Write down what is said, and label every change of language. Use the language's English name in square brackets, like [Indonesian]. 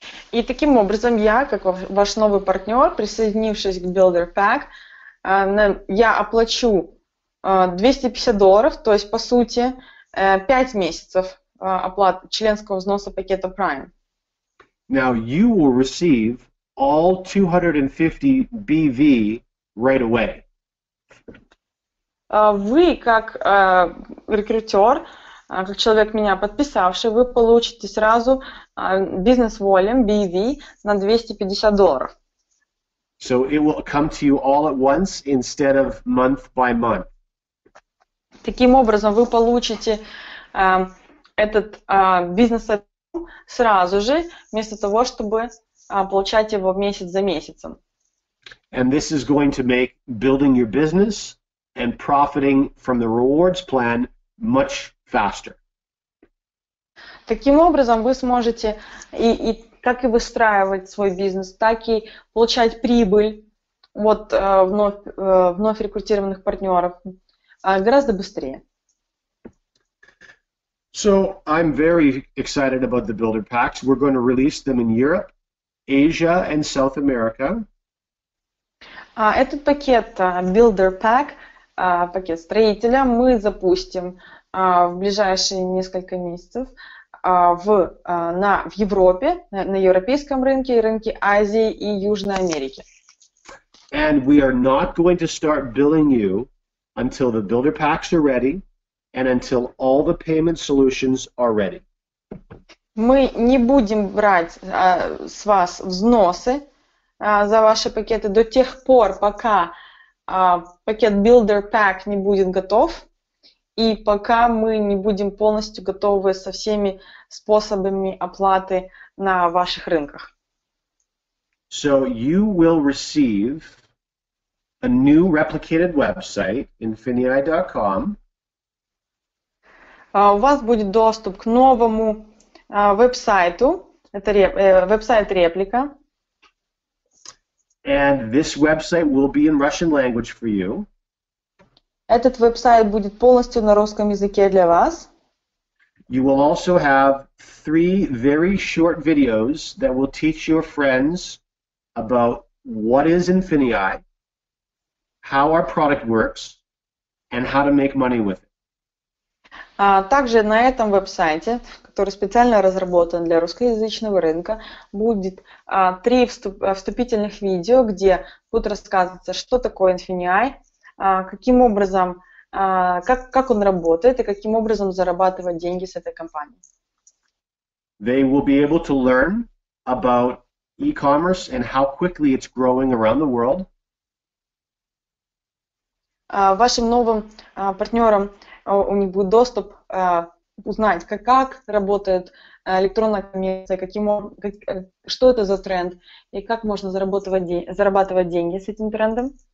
[Russian] И таким образом я, как ваш новый партнер, присоединившись к Builder Pack, я оплачу $250, то есть, по сути, 5 месяцев оплаты членского взноса пакета Prime. [English] Now you will receive all 250 BV right away. [Russian] Вы, как рекрутер, как человек, меня подписавший, вы получите сразу бизнес-волюм, BV, на $250. [English] So it will come to you all at once instead of month by month. [Russian] Таким образом, вы получите этот бизнес сразу же, вместо того, чтобы получать его месяц за месяцем. [English] And this is going to make building your business and profiting from the rewards plan much faster. [Russian] Таким образом, вы сможете и как и выстраивать свой бизнес, так и получать прибыль от вновь рекрутированных партнеров гораздо быстрее. [English] So, I'm very excited about the builder packs. We're going to release them in Europe Asia and South America. [Russian] Этот пакет Builder Pack, пакет строителя, мы запустим в ближайшие несколько месяцев в Европе, на европейском рынке, рынке Азии и Южной Америки. [English] And we are not going to start billing you until the builder packs are ready and until all the payment solutions are ready. [Russian] Мы не будем брать с вас взносы за ваши пакеты до тех пор, пока пакет Builder Pack не будет готов и пока мы не будем полностью готовы со всеми способами оплаты на ваших рынках. [English] So you will receive a new replicated website, infinii.com. [Russian] У вас будет доступ к новому веб-сайту, это веб-сайт-реплика. [English] And this website will be in Russian language for you. [Russian] Этот веб-сайт будет полностью на русском языке для вас. [English] You will also have 3 very short videos that will teach your friends about what is Infinii, how our product works, and how to make money with it. [Russian] Также на этом веб-сайте, который специально разработан для русскоязычного рынка, будет 3 вступительных видео, где будет рассказываться, что такое Infinii, каким образом, как он работает и каким образом зарабатывать деньги с этой компанией. [English] They will be able to learn about e-commerce and how quickly it's growing around the world. [Russian] Вашим новым партнерам у них будет доступ узнать, как работает электронная коммерция, что это за тренд и как можно зарабатывать деньги с этим трендом.